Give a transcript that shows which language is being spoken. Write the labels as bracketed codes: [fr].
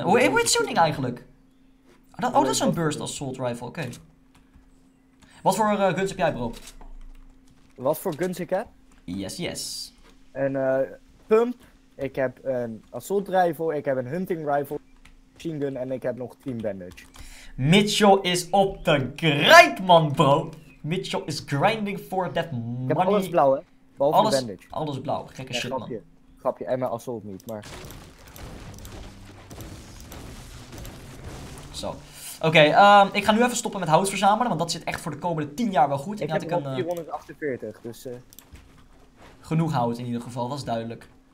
[nl] Hoe heet zo'n ding eigenlijk? Dat is een burst assault rifle, oké. Wat voor guns heb jij, bro? Wat voor guns ik heb? [en] Yes, yes. [nl] Een pump. Ik heb een assault rifle. Ik heb een hunting rifle. Machine gun. En ik heb nog team bandage. Mitchell is op de grind, man, bro. [en] Mitchell is grinding for that money. [nl] Ik heb alles blauw, hè. Behalve alles, bandage. Alles blauw. Gekke shit, grapje, man. Grapje. En mijn assault niet, maar... Zo. Oké, ik ga nu even stoppen met hout verzamelen, want dat zit echt voor de komende 10 jaar wel goed. Ik heb 448, dus... Genoeg hout in ieder geval, dat is duidelijk.